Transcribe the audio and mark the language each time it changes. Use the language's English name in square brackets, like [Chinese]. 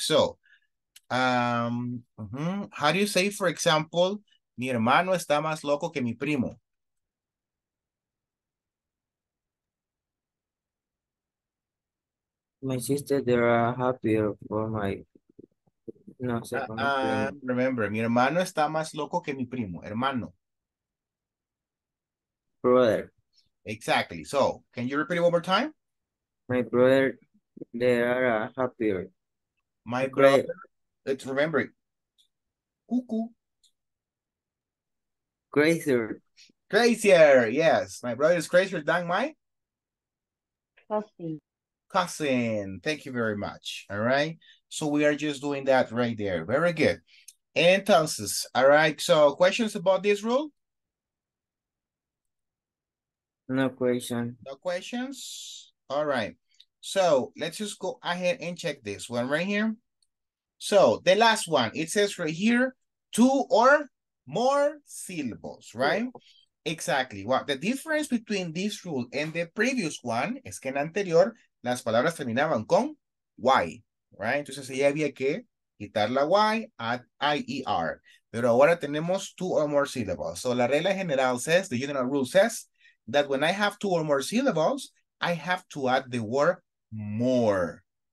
[English] So how do you say, for example, [Spanish] mi hermano está más loco que mi primo? [English] My sister, they are happier for my, [Spanish] no sé. Remember, mi hermano está más loco que mi primo, hermano. [English] Brother. Exactly. So, can you repeat it one more time? My brother, they are happier. My brother, let's remember it. Cuckoo. Crazier. Crazier, yes. My brother is crazier than my? Cousin. Cousin, thank you very much. All right, so we are just doing that right there. Very good. Entonces, all right, so questions about this rule? No questions. All right, so let's just go ahead and check this one right here. So the last one, it says right here, two or more syllables, right? Exactly. Well, the difference between this rule and the previous one [Spanish] es que en anterior las palabras terminaban con Y, [English] right? [Spanish] Entonces, ahí había que quitar la Y, [English] add IER. [Spanish] Pero ahora tenemos [English] two or more syllables. So, [Spanish] la regla general [English] says, the general rule says, that when I have two or more syllables, I have to add the word more.